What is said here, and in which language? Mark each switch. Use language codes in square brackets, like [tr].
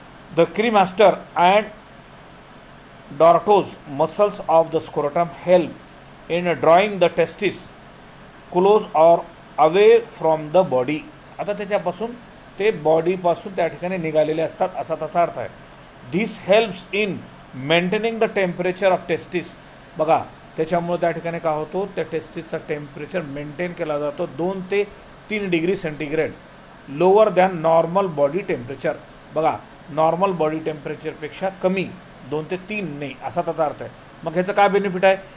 [en] The cremaster and dartos muscles of the scrotum help in drawing the testis close or away from the body. [mr] आता त्याच्यापासून ते बॉडीपासून त्या ठिकाणी निघालेले असतात असा त्याचा अर्थ आहे. [en] This helps in maintaining the temperature of testis. [mr] बघा त्याच्यामुळे त्या ठिकाणी काय होतो त्या टेस्टिसचा टेम्परेचर मेंटेन केला जातो 2 ते 3 degree centigrade [en] Lower than normal body temperature. [mr] बघा नॉर्मल बॉडी टेम्परेचरपेक्षा कमी 2 ते 3 नाही असा त्याचा अर्थ आहे. मग ह्याचं काय बेनिफिट आहे?